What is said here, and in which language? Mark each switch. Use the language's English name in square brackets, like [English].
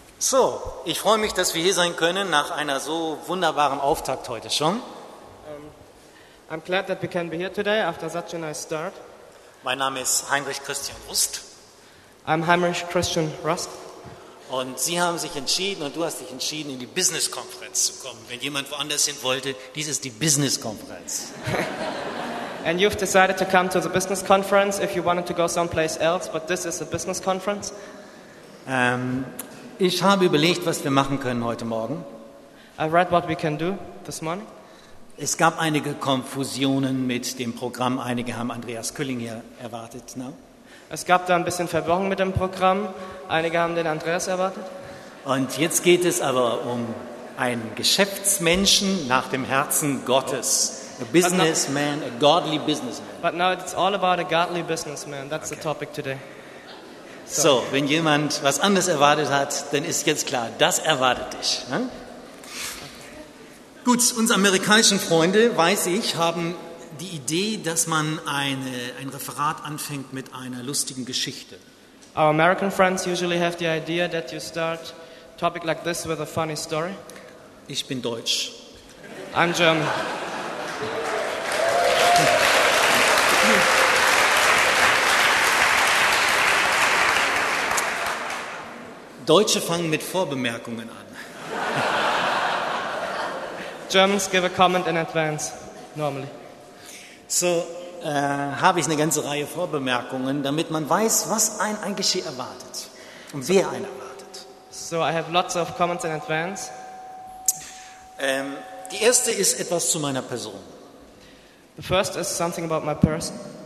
[German] So, ich freue mich, dass wir hier sein können nach einer so wunderbaren Auftakt heute schon. [English] I'm glad that we can be here today after such a nice start. [German] Mein Name ist Heinrich Christian Rust. [English] I'm Heinrich Christian Rust. [German] Und Sie haben sich entschieden und du hast dich entschieden, in die Business Conference zu kommen. Wenn jemand woanders hin wollte, dies ist die Business Conference. [English] And you've decided to come to the Business Conference if you wanted to go someplace else, but this is a Business Conference. [German] Ich habe überlegt, was wir machen können heute Morgen. [English] I read what we can do this morning. [German] Es gab einige Konfusionen mit dem Programm. Einige haben Andreas Külling hier erwartet. [English] No? [German] Es gab da ein bisschen Verwirrung mit dem Programm. Einige haben den Andreas erwartet. Und jetzt geht es aber um einen Geschäftsmenschen nach dem Herzen Gottes. [English] A businessman, a godly businessman. But now it's all about a godly businessman. That's okay. The topic today. [German] So, wenn jemand was anderes erwartet hat, dann ist jetzt klar, das erwartet dich. Ne? Gut, unsere amerikanischen Freunde, weiß ich, haben die Idee, dass man ein Referat anfängt mit einer lustigen Geschichte. [English] Our American friends usually have the idea that you start a topic like this with a funny story. [German] Ich bin Deutsch. [English] I'm German. [German] Deutsche fangen mit Vorbemerkungen an. [English] Germans give a comment in advance, normally. [German] So habe ich eine ganze Reihe Vorbemerkungen, damit man weiß, was einen eigentlich hier erwartet und wer einen erwartet. [English] So I have lots of comments in advance. [German] Die erste ist etwas zu meiner Person. [English] The first is something about my person.